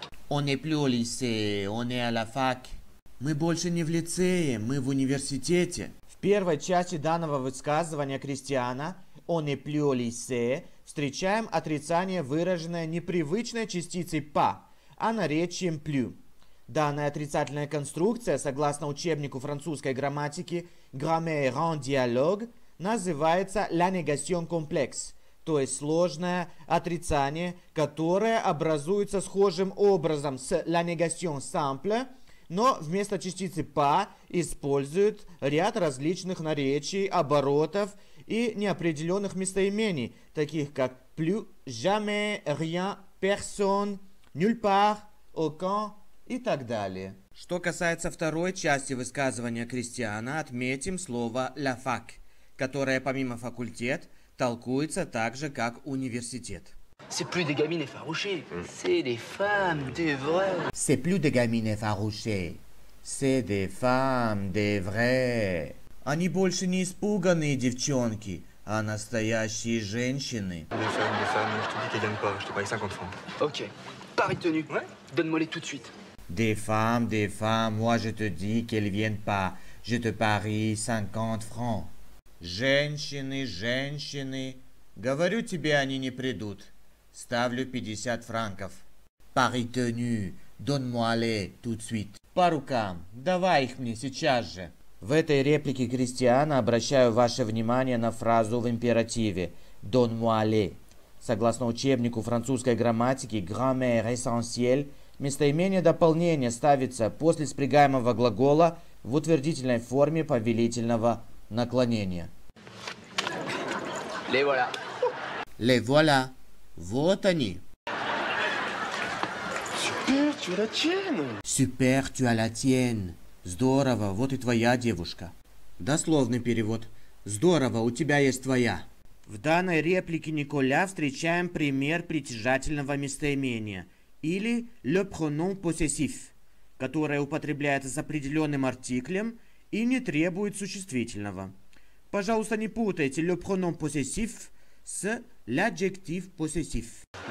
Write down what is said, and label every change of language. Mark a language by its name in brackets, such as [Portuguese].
[French] On est plus au lycée, on est à la fac. [Russian] Мы больше не в лицее, мы в университете. В первой части данного высказывания Кристиана [French] «on est plus au lycée» [Russian] встречаем отрицание, выраженное непривычной частицей «па», а наречием «плю». Данная отрицательная конструкция, согласно учебнику французской грамматики «Grammaire en dialogue», называется [French] «la négation complexe», [Russian] то есть сложное отрицание, которое образуется схожим образом с [French] «la négation simple», [Russian] но вместо частицы «па» использует ряд различных наречий, оборотов и неопределенных местоимений, таких как «plus», «jamais», «rien», «personne», «nulle part», «aucun» и так далее. Что касается второй части высказывания Кристиана, отметим слово «la fac», которое помимо «факультет» толкуется так же, как университет. [French] C'est plus des gamines effarouchées, c'est des femmes de vrai. C'est plus des gamines effarouchées, c'est des femmes de vrai. [Russian] Они больше не испуганные девчонки, а настоящие женщины. [French] Des femmes, je te dis qu'elles viennent pas, je te paye 50 francs. Ok, pari tenu, donne-moi les tout de suite. Des femmes, moi je te dis qu'elles viennent pas, je te parie 50 francs. [Russian] Женщины, женщины, говорю тебе, они не придут. Ставлю 50 франков. [French] Pari tenu, donne-moi les tout de suite. [Russian] По рукам, давай их мне сейчас же. В этой реплике Кристиана обращаю ваше внимание на фразу в императиве [French] donne-moi les. [Russian] Согласно учебнику французской грамматики Grammaire essentielle, местоимение дополнения ставится после спрягаемого глагола в утвердительной форме повелительного наклонения. [French] Les voilà. Les voilà. [Russian] Вот они. [French] Super, tu as la tienne. Super, tu as la tienne. [Russian] Здорово, вот и твоя девушка. Дословный перевод. Здорово, у тебя есть твоя. В данной реплике Николя встречаем пример притяжательного местоимения или [French] «le pronom possessif», [Russian] которое употребляется с определенным артиклем и не требует существительного. Пожалуйста, не путайте [French] «le pronom possessif» [Russian] с [French] «l'adjectif possessif».